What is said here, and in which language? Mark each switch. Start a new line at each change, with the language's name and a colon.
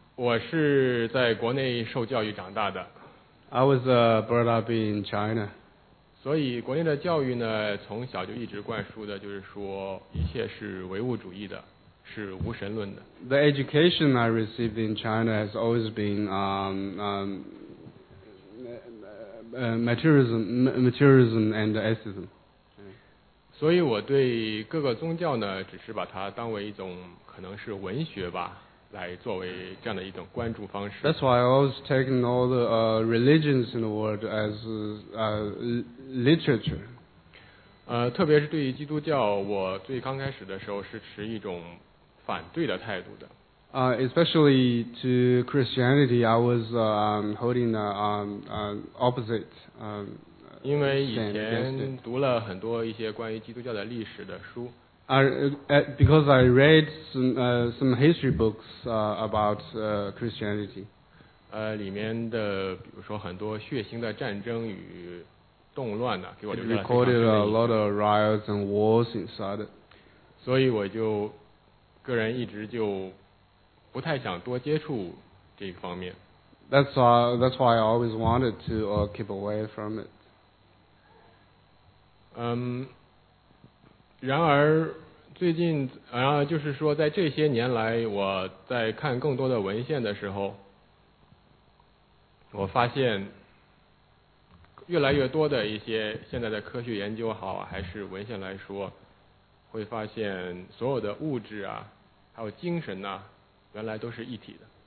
Chinese: 我是在国内受教育长大的。
English: I was brought up in China.
Chinese: 所以国内的教育呢，从小就一直灌输的就是说一切是唯物主义的，是无神论的。
English: The education I received in China has always been materialism and atheism.
Chinese: 所以我对各个宗教呢，只是把它当为一种可能是文学吧，来作为这样的一种关注方式。
English: That's why I always take all the religions in the world as literature.
Chinese: 特别是对于基督教，我最刚开始的时候是持一种反对的态度的。
English: Especially to Christianity, I was holding an opposite.
Chinese: 因为以前读了很多一些关于基督教的历史的书。
English: Because I read some history books about Christianity.
Chinese: 里面的比如说很多血腥的战争与动乱呢，给我留下了非常深的印象。
English: It recorded a lot of riots and wars inside.
Chinese: 所以我就个人一直就不太想多接触这一方面。
English: That's why I always wanted to keep away from it.
Chinese: 然而最近，就是说在这些年来，我在看更多的文献的时候，我发现越来越多的一些现在的科学研究好，还是文献来说，会发现所有的物质啊，还有精神呐，原来都是一体的。